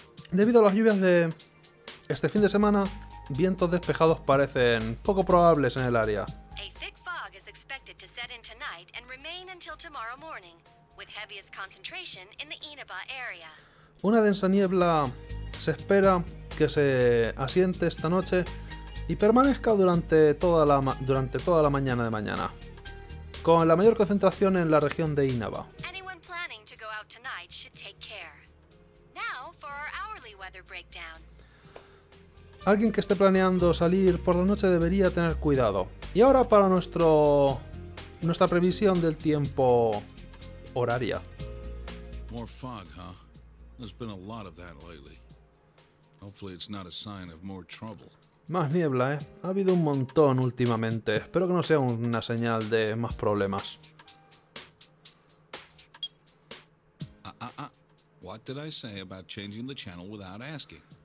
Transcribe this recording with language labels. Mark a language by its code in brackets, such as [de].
[es] Debido a las lluvias de este fin de semana, vientos despejados parecen poco probables en el área. [en] A thick fog is expected to set in tonight and remain until tomorrow morning, with heaviest concentration in the Inaba area. [es] Una densa niebla se espera que se asiente esta noche y permanezca durante toda la mañana de mañana, con la mayor concentración en la región de Inaba. [en] Anyone planning to go out tonight should take care. Now for our hourly weather breakdown. [es] Alguien que esté planeando salir por la noche debería tener cuidado. Y ahora para nuestra previsión del tiempo horaria. [en] More fog, huh? There's been a lot of that lately. Hopefully it's not a sign of more trouble. [es] Más niebla, ¿eh? Ha habido un montón últimamente. Espero que no sea una señal de más problemas. [en] What did I say about changing the channel without asking?